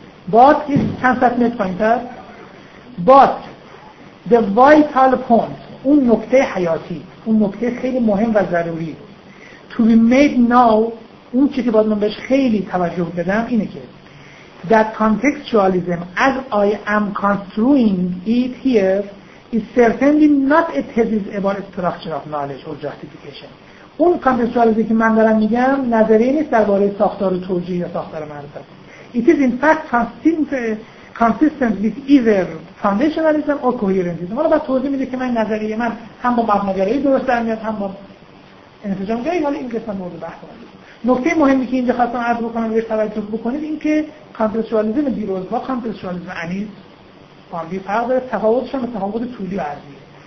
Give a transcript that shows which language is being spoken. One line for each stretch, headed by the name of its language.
English: But his transcendent pointer, but the vital point،
Persian: اون نکته حیاتی، اون نکته خیلی مهم و ضروری،
English: to be made now،
Persian: اون چیزی که باید من بهش خیلی توجه بدم اینه که
English: that contextualism as I am construing it here is certainly not a thesis about structure of knowledge or justification.
Persian: اون contextualism که من دارم میگم نظریه نیست درباره ساختار توجیه یا ساختار معرفت.
English: It is in fact consistent with either foundationalism or coherentism.
Persian: حالا باید توضیح میده که من نظریه من هم با مبناگرایی درست در میاد، هم با انسجامگرایی. حالا این قسمت مورد بحث قرار گرفت. نکته مهمی که اینجا خواستم عرض بکنم و بهش توجه بکنید این که کانتکستوالیسم دیروز با کانتکستوالیسم انیس با هم فرق داره، تفاوتش هم تفاوت طولی و عرضیه.